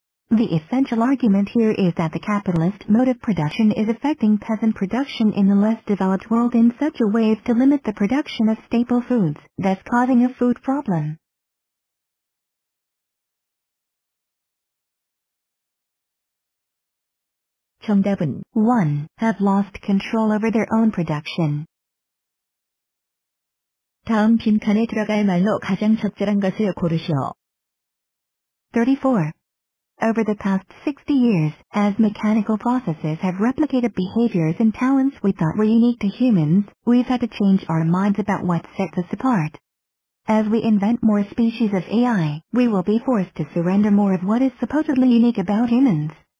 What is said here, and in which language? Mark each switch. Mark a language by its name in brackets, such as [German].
[English] The essential argument here is that the capitalist mode of production is affecting peasant production in the less developed world in such a way as to limit the production of staple foods, thus causing a food problem. Chungdebun 1. Have lost control over their own production. [Korean] 다음 빈칸에 들어갈 말로 가장 적절한 것을 고르시오. 34. [English] Over the past 60 years, as mechanical processes have replicated behaviors and talents we thought were unique to humans, we've had to change our minds about what sets us apart. As we invent more species of AI, we will be forced to surrender more of what is supposedly unique about humans.